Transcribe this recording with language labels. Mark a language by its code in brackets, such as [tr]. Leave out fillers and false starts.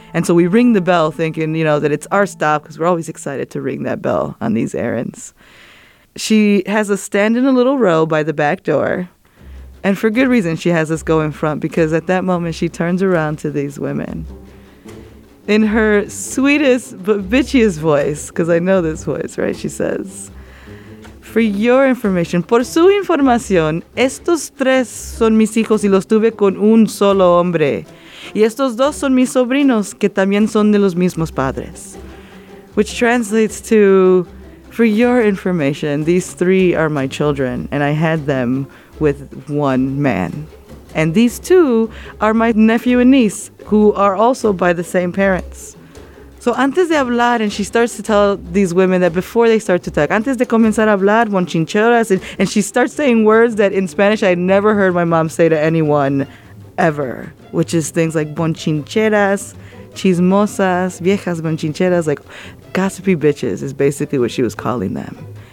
[en] And so we ring the bell thinking, you know, that it's our stop, because we're always excited to ring that bell on these errands. She has us stand in a little row by the back door. And for good reason, she has us go in front, because at that moment she turns around to these women. In her sweetest but bitchiest voice, because I know this voice, right? She says, for your information, [es] por su información, estos tres son mis hijos y los tuve con un solo hombre. Y estos dos son mis sobrinos que también son de los mismos padres. [en] Which translates to, for your information, these three are my children and I had them with one man. And these two are my nephew and niece, who are also by the same parents. So [es] antes de hablar, [en] and she starts to tell these women that before they start to talk, [es] antes de comenzar a hablar, [en] monchincheras, and she starts saying words that in Spanish I had never heard my mom say to anyone ever, which is things like monchincheras, [es] chismosas, viejas monchincheras, [en] like gossipy bitches is basically what she was calling them.